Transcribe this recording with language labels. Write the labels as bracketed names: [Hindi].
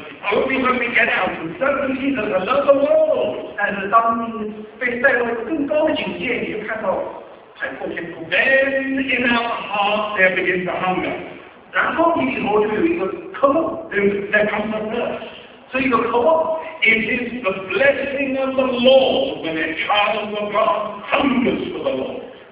[English] Only when we get out and suddenly see there's another world. [Chinese] 但是当被带到更高的境界，你就看到海阔天空. [English] Then in our heart there begins a hunger. [Chinese] 然后你里头就有一个渴望. [English] There comes a thirst. [Chinese] 所以有渴望. [English] It is the blessing of the Lord when a child of God hungers for the Lord.